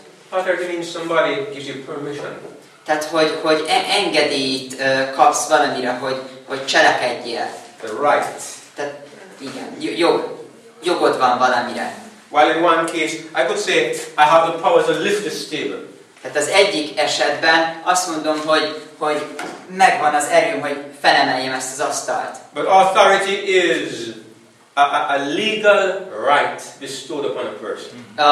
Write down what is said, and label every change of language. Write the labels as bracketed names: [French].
[English] Authority means somebody gives you permission. [Hungarian] Tehát hogy engedélyt kapsz valamire, hogy cselekedjél. [English] The right. [Hungarian] Tehát igen, jogod van valamire. [English] While in one case, I could say I have the power to lift this table. [Hungarian] Tehát az egyik esetben azt mondom, hogy megvan az erőm, hogy felemeljem ezt az asztalt. [English] But authority is a legal right bestowed upon a person.